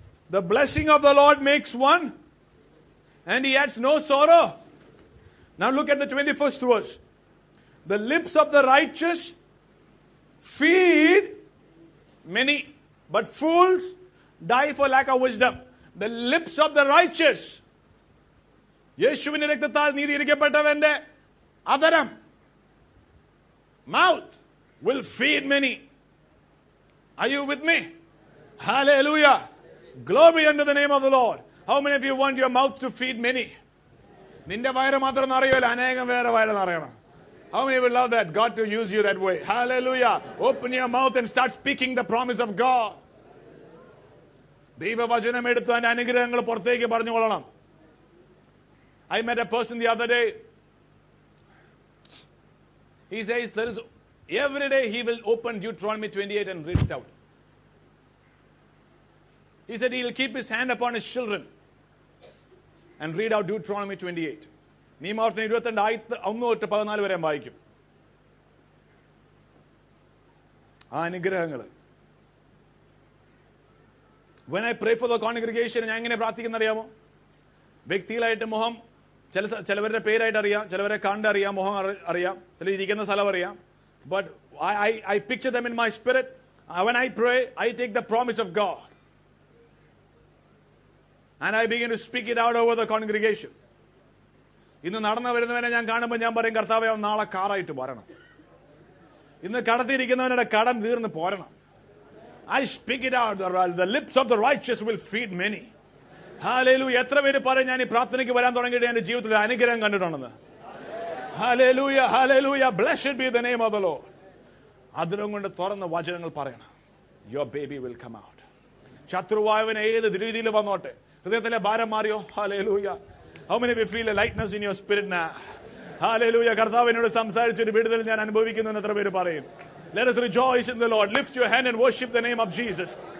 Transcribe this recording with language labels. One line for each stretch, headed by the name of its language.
English: The blessing of the Lord makes one and he adds no sorrow. Now look at the 21st verse. The lips of the righteous feed many, but fools die for lack of wisdom. The lips of the righteous.
Malayalam: യേശുവിന്റെ രക്തത്താൽ നീതീകരിക്കപ്പെട്ടവന്റെ അധരം,
English: mouth will feed many. Are you with me? Hallelujah. Glory unto the name of the Lord. How many of you want your mouth to feed many?
Malayalam: നിന്റെ വയറ് മാത്രം അറിയുമല്ല, അനേകം വേറെ വയറും അറിയണം.
English: How many would love that? God to use you that way. Hallelujah. Open your mouth and start speaking the promise of God.
Malayalam: ദൈവവചനം എടുത്ത് അതിന്റെ അനുഗ്രഹങ്ങൾ പുറത്തേക്ക് പറഞ്ഞുകൊള്ളണം.
English: I met a person the other day. He says there is, every day he will open Deuteronomy 28 and read it out. He said he will keep his hand upon his children and read out Deuteronomy 28.
Malayalam: നിയമവാർത്തകൾ 22 1-14 വരെ വായിക്കും. ആ അനുഗ്രഹങ്ങൾ.
English: When I pray for the congregation,
Malayalam: ഞാൻ എങ്ങനെ പ്രാർത്ഥിക്കുന്ന അറിയാമോ? വ്യക്തികളായിട്ട് മുഖം, ചിലവരുടെ പേരായിട്ട് അറിയാം, ചിലവരെ കണ്ടറിയാം, മുഖം അറിയാം, ചില ഇരിക്കുന്ന സ്ഥലം അറിയാം.
English: But I picture them in my spirit. When I pray, I take the promise of God and I begin to speak it out over the congregation.
Malayalam: ഇന്ന് നടന്നു വരുന്നവനെ ഞാൻ കാണുമ്പോൾ ഞാൻ പറയും, കർത്താവേ, നാളെ കാറായിട്ട് പോരണം. ഇന്ന് കടത്തിയിരിക്കുന്നവനുടെ കടം തീർന്ന് പോരണം.
English: I speak it out, the lips of the righteous will feed many. Hallelujah.
Malayalam: എത്ര പേര് പറയും ഞാൻ ഈ പ്രാർത്ഥനയ്ക്ക് വരാൻ തുടങ്ങിയിട്ട് എന്റെ ജീവിതത്തിൽ അനുഗ്രഹം കണ്ടിട്ടുണ്ടെന്ന്.
English: Hallelujah, hallelujah, blessed be the name of the Lord.
Malayalam: അധരം കൊണ്ട് തുറന്ന് വചനങ്ങൾ പറയണം.
English: Your baby will come out.
Malayalam: ശത്രുവായവന് ഏത് രീതിയിൽ വന്നോട്ടെ, ഹൃദയത്തിലെ ഭാരം മാറിയോ?
English: Hallelujah. How many of you feel a lightness in your spirit now? Hallelujah.
Malayalam: കർത്താവിനോട് സംസാരിച്ചൊരു വിടുതൽ ഞാൻ അനുഭവിക്കുന്നു എന്ന് എത്ര പേര് പറയും?
English: Let us rejoice in the Lord. Lift your hand and worship the name of Jesus.